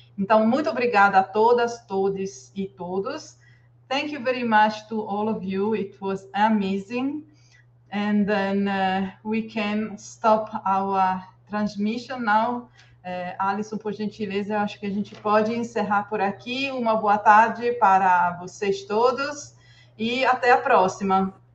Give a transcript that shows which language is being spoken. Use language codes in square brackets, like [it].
[pt] Então, muito obrigada a todas, todos e todos. [en] Thank you very much to all of you. It was amazing. And then we can stop our transmission now. [pt] Alison, por gentileza, eu acho que a gente pode encerrar por aqui. Uma boa tarde para vocês todos e até a próxima.